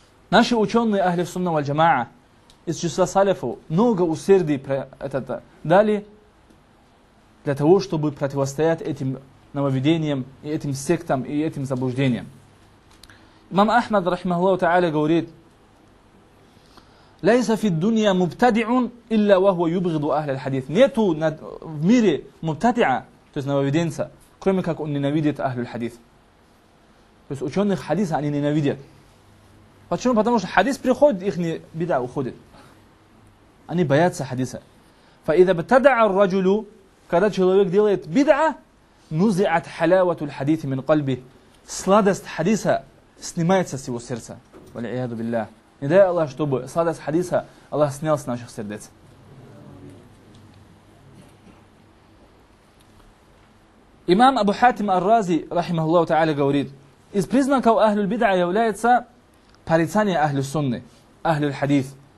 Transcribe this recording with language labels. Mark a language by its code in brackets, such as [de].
[ru] Наши ученые Ахли Сунна валь Джамаа из числа салифов много усердий дали для того, чтобы противостоять этим нововведениям и этим сектам и этим заблуждениям. Имам Ахмад рахимахуллах тааля говорит: [ar] ليس في الدنيا مبتدع الا وهو يبغض اهل الحديث. [ru] Нету в мире мубтадиа, то есть нововведенца, кроме как он ненавидит Ахлюль Хадис. То есть ученых хадиса они ненавидят. Почему? Потому что хадис приходит, их беда уходит. Они боятся хадиса. [ar] فاذا ابتدع الرجل, [ru] когда человек делает беда, [ar] نزعت حلاوه الحديث من قلبه. [ru] Сладость хадиса снимается с его сердца. [ar] والعياذ بالله. [ru] Не дай Аллах, чтобы сладость хадиса Аллах снял с наших сердец. Имам Абу Хатим ар-Рази, рахимахуллаху тааля, говорит: из признаков Ахлюль Бидъа является порицание Ахлю Сунны, Ахлюль Хадис.